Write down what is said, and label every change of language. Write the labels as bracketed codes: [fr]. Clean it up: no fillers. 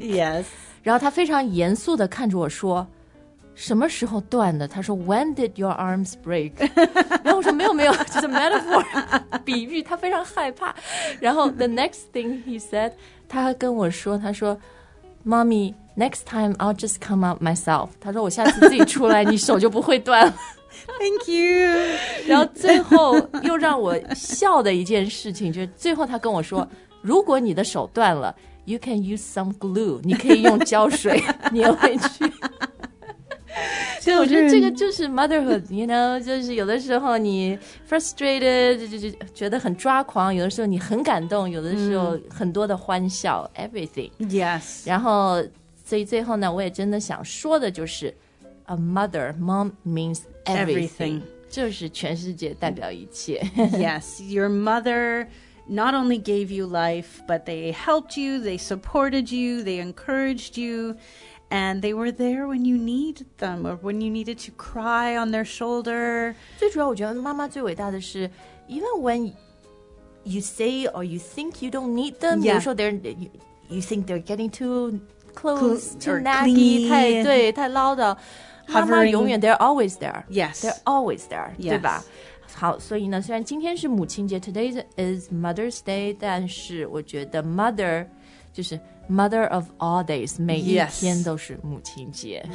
[en] Yes。 [zh] 然后他非常严肃地看着我说，什么时候断的？他说 [en] When did your arms break？ [zh] 然后我说没有，就是 metaphor， 比喻。他非常害怕。然后 [en] the next thing he said， [zh] 他还跟我说，他说 [en] ，Mommy， next time I'll just come out myself。 [zh] 他说我下次自己出来，你手就不会断了。 [en] Thank you。 [zh] 然后最后又让我笑的一件事情，就是最后他跟我说，如果你的手断了 ， [en] you can use some glue， [zh] 你可以用胶水粘回去。对，我觉得这个就是 motherhood， [en] you know， [zh] 就是有的时候你 frustrated， 就觉得很抓狂，有的时候你很感动，有的时候很多的欢笑， everything， [en] yes。 [zh] 然后所以最后呢，我也真的想说的就是 [en] a mother， mom means everything， [zh] 就是全世界，代表一切。 [en] Yes， your mother not only gave you life， but they helped you， they supported you， they encouraged youAnd they were there when you need them, or when you needed to cry on their shoulder. [zh] 最主要我觉得妈妈最伟大的是 [en] even when you say or you think you don't need them,、 yeah. [zh] 比如说 [en] you think they're getting too close, too naggy, [zh] 太唠叨。 [en] Hovering. [zh] 妈妈永远 [en] they're always there. Yes. They're always there,、 yes. [zh] 对吧？好，所以呢，虽然今天是母亲节 , [en] today is Mother's Day, [zh] 但是我觉得 mother 就是 [en] Mother of all days, [zh] 每一天都是母亲节。